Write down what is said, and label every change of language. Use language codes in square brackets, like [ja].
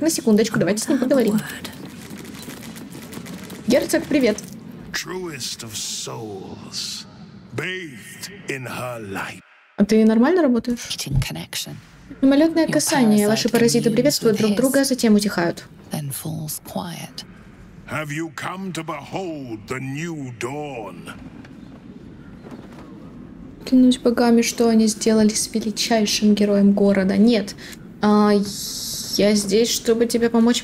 [ru] На секундочку, давайте с ним поговорим. Герцог, привет. [en] Truest of souls, bathed in her light. [ru] А ты нормально работаешь? Мимолетное касание. Ваши паразиты приветствуют друг друга, а затем утихают. [en] Have you come to behold the new dawn? [ru] Клянусь богами, что они сделали с величайшим героем города. Нет. Я здесь, чтобы тебе помочь.